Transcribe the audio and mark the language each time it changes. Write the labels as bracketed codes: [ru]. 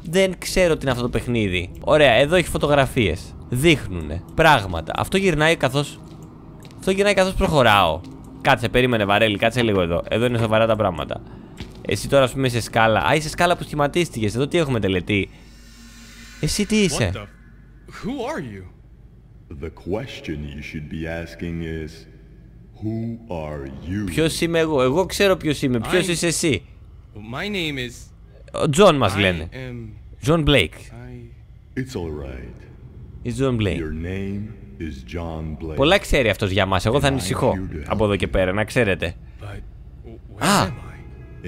[el] Δεν ξέρω τι είναι αυτό το παιχνίδι. Ωραία, εδώ έχει φωτογραφίες. Δείχνουνε πράγματα. Αυτό γυρνάει καθώς προχωράω. Κάτσε, περίμενε, βαρέλι, κάτσε λίγο εδώ. Εδώ είναι σοβαρά τα πράγματα. Εσύ τώρα, ας πούμε, είσαι σκάλα. Α, είσαι σκάλα που σχηματίστηκες. Εδώ τι έχουμε τελετή? Εσύ τι είσαι? [en] Who are you? The question you should be asking is who are you? [el] Ποιος είμαι εγώ? Εγώ ξέρω ποιος είμαι. Ποιος είσαι εσύ? [en] My name is. [el] John μας λένε. [en] John Blake. It's all right. It's John Blake. Your name is John Blake. [el] Πολλά ξέρει αυτός για μας. Εγώ θα ανησυχώ από εδώ και πέρα, να ξέρετε. [en] But where am I?